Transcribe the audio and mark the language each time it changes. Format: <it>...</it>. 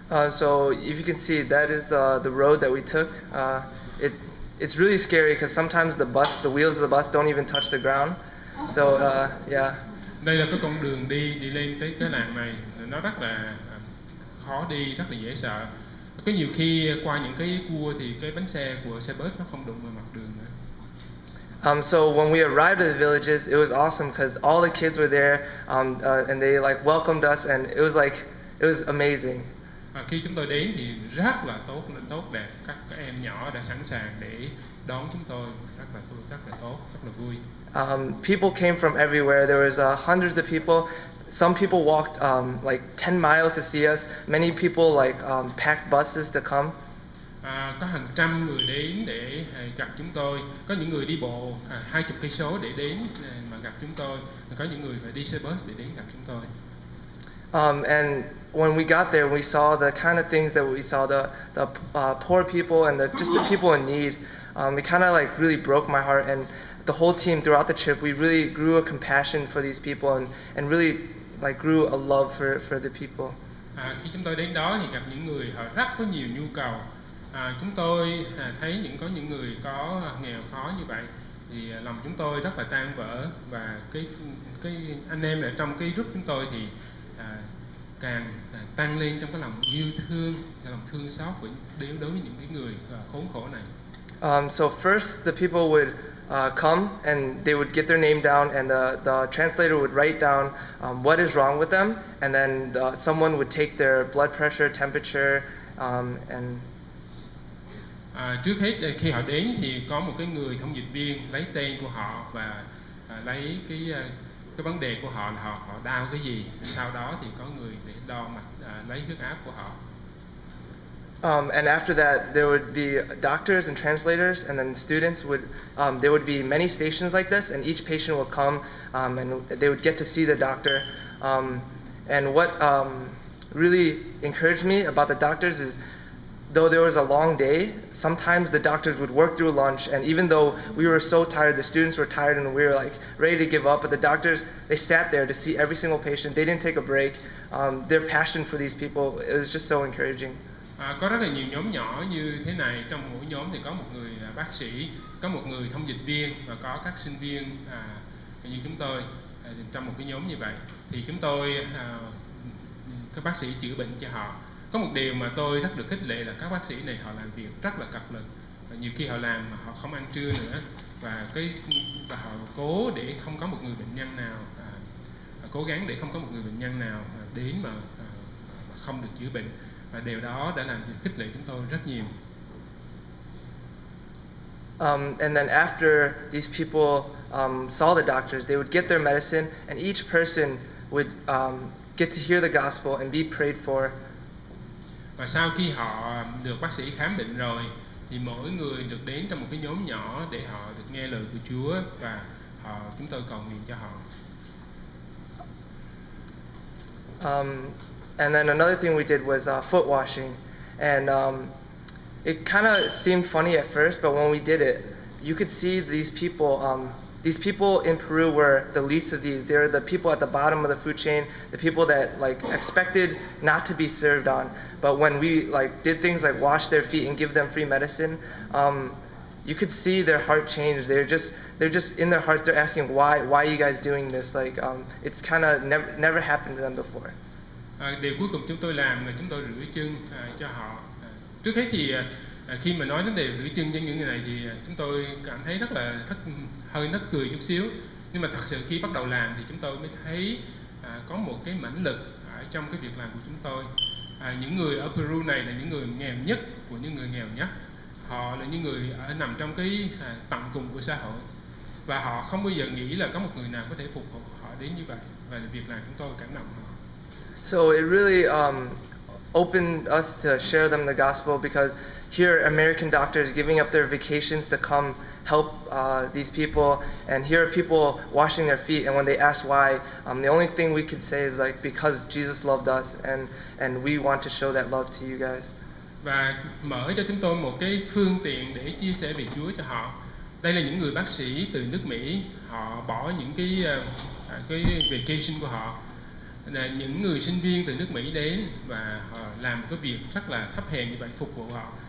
<en>So if you can see, that is the road that we took. It's really scary because sometimes the wheels of the bus don't even touch the ground. So yeah.</en> <vi>Đây là cái con đường đi lên tới cái làng này, nó rất là khó đi, rất là dễ sợ. Có nhiều khi qua những cái cua thì cái bánh xe của xe bus nó không đụng vào mặt đường nữa.</vi> <en>So when we arrived at the villages, it was awesome because all the kids were there and they like welcomed us, and it was amazing.</en> <vi>Khi chúng tôi đến thì rất là tốt đẹp, các em nhỏ đã sẵn sàng để đón chúng tôi, rất là tốt, rất là vui.</vi> <en>People came from everywhere. There was hundreds of people. Some people walked like 10 miles to see us. Many people packed buses to come.</en> <vi>Có hàng trăm người đến để gặp chúng tôi. Có những người đi bộ 20 cây số để đến mà gặp chúng tôi. Có những người phải đi xe bus để đến gặp chúng tôi.</vi> <en>And when we got there, we saw the kind of things that we saw, the poor people and just the people in need. It kind of like really broke my heart, and the whole team throughout the trip, we really grew a compassion for these people and really like grew a love for the people.</en> <vi>Khi chúng tôi đến đó thì gặp những người họ rất có nhiều nhu cầu. Chúng tôi thấy có những người có nghèo khó như vậy thì lòng chúng tôi rất là tan vỡ, và cái anh em ở trong cái group chúng tôi thì càng tăng lên trong cái lòng yêu thương, cái lòng thương xót của Đức đối với những cái người khốn khổ này.</vi> <en>So first the people would come and they would get their name down, and the translator would write down what is wrong with them, and then someone would take their blood pressure, temperature, and</en> <vi>trước hết khi họ đến thì có một cái người thông dịch viên lấy tên của họ và lấy cái vấn đề của họ là họ đau cái gì, sau đó thì có người để đo mạch lấy huyết áp của họ.</vi> <en>And after that there would be doctors and translators, and then students would there would be many stations like this, and each patient would come and they would get to see the doctor. And what really encouraged me about the doctors is though there was a long day, sometimes the doctors would work through lunch, and even though we were so tired, the students were tired and we were like ready to give up, but the doctors, they sat there to see every single patient. They didn't take a break. Their passion for these people, it was just so encouraging.</en> <vi>Có rất là nhiều nhóm nhỏ như thế này. Trong mỗi nhóm thì có một người bác sĩ, có một người thông dịch viên và có các sinh viên như chúng tôi trong một cái nhóm như vậy. Thì chúng tôi, các bác sĩ chữa bệnh cho họ. Có một điều mà tôi rất được khích lệ là các bác sĩ này họ làm việc rất là cật lực. Nhiều khi họ làm mà họ không ăn trưa nữa, và họ cố để không có một người bệnh nhân nào cố gắng để không có một người bệnh nhân nào đến mà không được chữa bệnh, và điều đó đã làm khích lệ chúng tôi rất nhiều.</vi> <en>And then after these people saw the doctors, they would get their medicine, and each person would get to hear the gospel and be prayed for.</en> <vi>Và sau khi họ được bác sĩ khám bệnh rồi, thì mỗi người được đến trong một cái nhóm nhỏ để họ được nghe lời của Chúa và chúng tôi cầu nguyện cho họ.</vi> <en>And then another thing we did was foot washing, and it kind of seemed funny at first, but when we did it, you could see these people in Peru were the least of these. They're the people at the bottom of the food chain, the people that like expected not to be served on. But when we like did things like wash their feet and give them free medicine, you could see their heart change. They're just in their hearts, they're asking why are you guys doing this? Like it's kind of never happened to them before.</en> <vi>Điều cuối cùng chúng tôi làm là chúng tôi rửa chân cho họ. Trước hết thì khi mà nói đến đề rửa chân cho những người này thì chúng tôi cảm thấy rất là hơi nức cười chút xíu. Nhưng mà thật sự khi bắt đầu làm thì chúng tôi mới thấy có một cái mãnh lực ở trong cái việc làm của chúng tôi. Những người ở Peru này là những người nghèo nhất của những người nghèo nhất. Họ là những người nằm trong cái tận cùng của xã hội. Và họ không bao giờ nghĩ là có một người nào có thể phục vụ họ đến như vậy. Và việc làm chúng tôi cảm động họ.</vi> <en>So it really opened us to share them the gospel, because here are American doctors giving up their vacations to come help these people, and here are people washing their feet, and when they ask why, the only thing we could say is like, because Jesus loved us and we want to show that love to you guys.</en> <vi>Và mở cho chúng tôi một cái phương tiện để chia sẻ về Chúa cho họ. Đây là những người bác sĩ từ nước Mỹ, họ bỏ những cái vacation của họ. Là những người sinh viên từ nước Mỹ đến và họ làm một cái việc rất là thấp hèn như vậy, phục vụ họ.</vi>